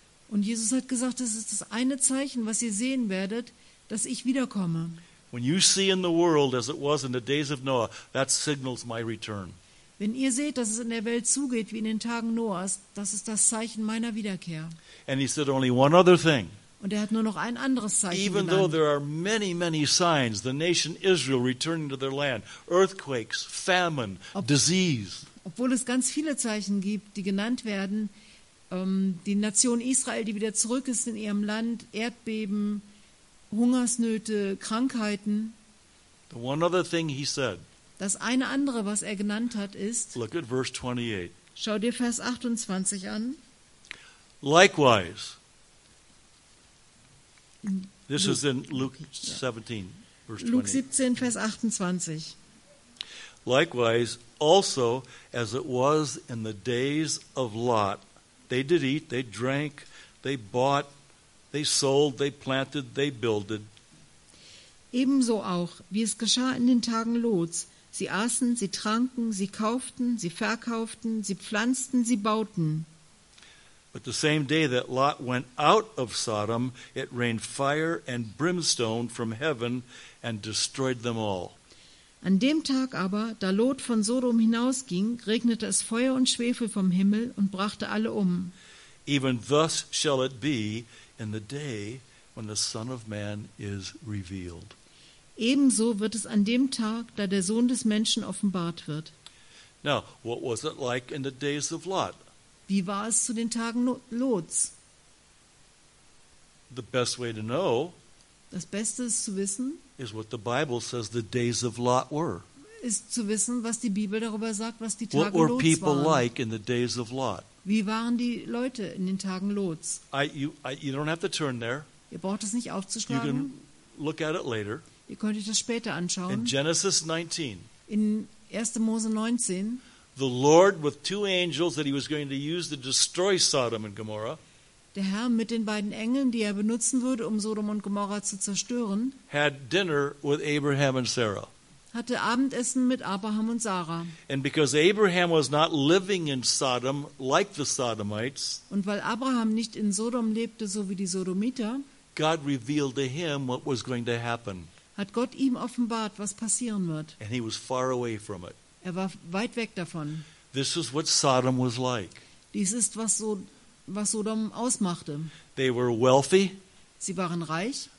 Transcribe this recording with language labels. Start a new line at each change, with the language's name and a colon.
German: Und Jesus hat gesagt, das ist das eine Zeichen, was ihr sehen werdet, dass ich wiederkomme.
English: When you see in the world as it was in the days of Noah, that signals my return.
German: Wenn ihr seht, dass es in der Welt zugeht wie in den Tagen Noahs, das ist das Zeichen meiner Wiederkehr.
English: And he said only one other thing.
German: Und er hat nur noch ein anderes Zeichen genannt.
English: Even though there are many, many signs, the nation Israel returning to their land, earthquakes, famine, disease.
German: Obwohl es ganz viele Zeichen gibt, die genannt werden, die Nation Israel, die wieder zurück ist in ihrem Land, Erdbeben, Hungersnöte, Krankheiten.
English: The one other thing he said.
German: Das eine andere, was er genannt hat, ist.
English: Look at verse 28.
German: Schau dir Vers 28 an.
English: Likewise. This is in Luke 17, verse 28.
German: Luke 17, Vers 28.
English: Likewise, also as it was in the days of Lot, they did eat, they drank, they bought. They sold, they planted, they builded.
German: Ebenso auch, wie es geschah in den Tagen Lots. Sie aßen, sie tranken, sie kauften, sie verkauften, sie pflanzten, sie bauten.
English: But the same day that Lot went out of Sodom, it rained fire and brimstone from heaven and destroyed them all.
German: An dem Tag aber, da Lot von Sodom hinausging, regnete es Feuer und Schwefel vom Himmel und brachte alle um.
English: Even thus shall it be in the day when the Son of Man is revealed.
German: Ebenso wird es an dem Tag, da der Sohn des Menschen offenbart wird.
English: Now, what was it like in the days of Lot?
German: Wie war es zu den Tagen Lots?
English: The best way to know,
German: das Beste ist zu wissen,
English: is what the Bible says the days of Lot were.
German: Ist zu wissen, was die Bibel darüber sagt, was die Tage Lots waren.
English: What were people like in the days of Lot?
German: Wie waren die Leute in den Tagen Lots?
English: You don't have to turn there.
German: Ihr braucht es nicht aufzuschlagen.
English: You can look at it later.
German: Ihr könnt euch das später anschauen.
English: In Genesis 19.
German: In 1. Mose 19.
English: The Lord with two angels that he was going to use to destroy Sodom and Gomorrah.
German: Der Herr mit den beiden Engeln, die er benutzen würde, um Sodom und Gomorra zu zerstören,
English: had dinner with Abraham and Sarah.
German: Hatte Abendessen mit Abraham und Sarah.
English: And because Abraham was not living in Sodom like the Sodomites,
German: und weil Abraham nicht in Sodom lebte, so wie die Sodomiter,
English: God revealed to him what was going to happen.
German: Hat Gott ihm offenbart, was passieren wird.
English: And he was far away from it.
German: Er war weit weg davon.
English: This is what Sodom was like.
German: Dies ist, was Sodom ausmachte.
English: They were wealthy.
German: Sie waren reich.